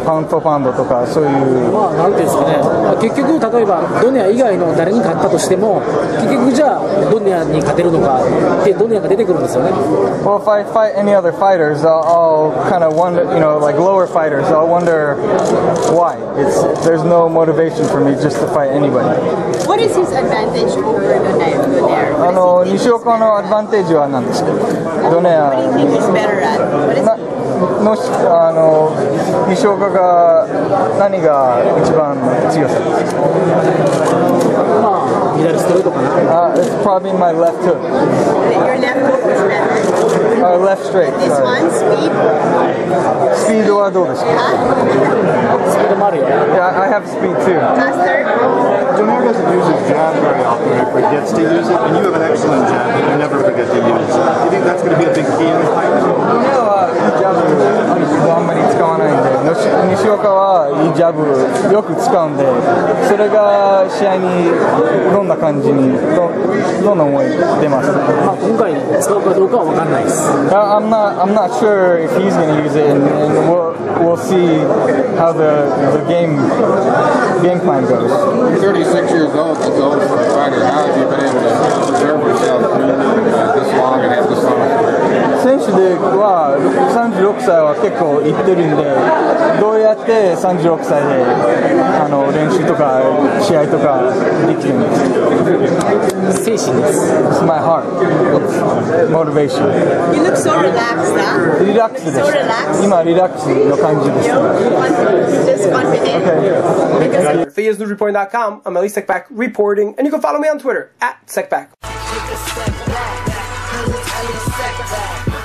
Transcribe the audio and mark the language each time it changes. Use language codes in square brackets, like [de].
[ja] パウンドパウンドとかそういう、まあ、なんていうんですかね、まあ、結局例えばドネア以外の誰に勝ったとしても、結局じゃあドネアに勝てるのかってドネアが出てくるんですよね。 [en] Well, if I fight any other fighters, I'll kind of wonder, you know, like lower fighters, I'll wonder why. There's no motivation for me just to fight anybody. What is his advantage over Donaire? [ja] Nishioka のアドバンテージは何ですか。ドネア [en] What do you think he's better at? What is [ja] もし西岡が何が一番強さ。まあ左ストレートかな。 [en] It's probably my left hook. Your left hook is better. Our left straight. This one, speed. [ja] Speed はどうですか。 Speed もあるよ。 [en] Yeah, I have speed too. Faster. Donaire doesn't use his jab very often. He forgets to use it, and you have an excellent jab that you never forget to use. Do you think that's going to be a big key in the fight? [ja] Donaireはいいジャブをあんまり使わないんで、西岡はいいジャブよく使うんで、それが試合にどんな感じに、どんな思い出ますか。まあ、今回使うかどうかは分かんないです。 [en] I'm not sure if he's going to use it, and we'll see how the game plan goes. You're 36 years old, the oldest fighter. How have you been able to preserve yourself this long and have this long? [ja] 選手では36歳は結構いってるんで、どうやって36歳で練習とか試合とかできるんですか。精神です。 [en] It's my heart. Motivation. You look so relaxed, huh? [ja] リラックスです。 [en] So relaxed. [ja] 今リラックスの感じです。 [en] No one wants to just confident. Okay. Okay. I'm Ali Secback reporting, and you can follow me on Twitter @ Secback. Take a step back, cause it's Ali Secback.